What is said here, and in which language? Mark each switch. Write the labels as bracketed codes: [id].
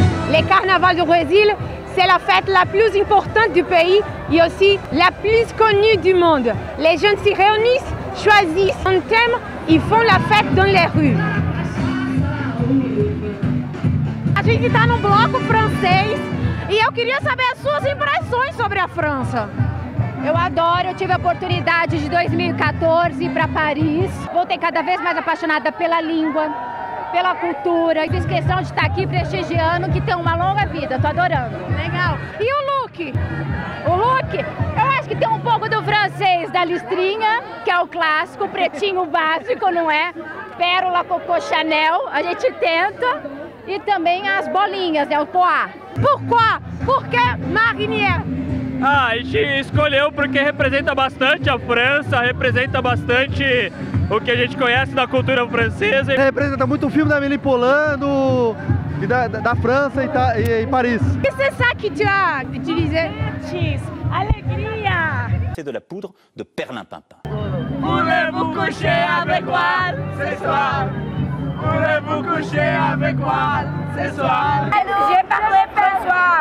[fr] Les carnavals du Brésil, c'est la fête la plus importante du pays et aussi la plus connue du monde. Les jeunes s'y réunissent, choisissent un thème et font la fête dans les rues. [pt] A gente está no bloco francês e eu queria saber as suas impressões sobre a França. Eu adoro, eu tive a oportunidade de 2014 ir para Paris. Voltei cada vez mais apaixonada pela língua, pela cultura, e fiz questão de estar aqui prestigiando, que tem uma longa vida, tô adorando. Legal. E o look? O look, eu acho que tem um pouco do francês, da listrinha, que é o clássico, pretinho básico, não é? Pérola, cocô, Chanel, a gente tenta. E também as bolinhas, né, o poá. Por quê? Por que Marinier? Ah, a gente escolheu porque representa bastante a França, representa bastante o que a gente conhece da cultura francesa. Representa muito o filme da Amélie Poulain, da França e Paris. [fr] C'est ça que tu as utilisé? [pt] Alegria! [fr] C'est de la poudre de perlimpinpin. Voulez-vous coucher avec moi ce soir? Voulez-vous coucher avec moi ce soir? J'ai parlé français.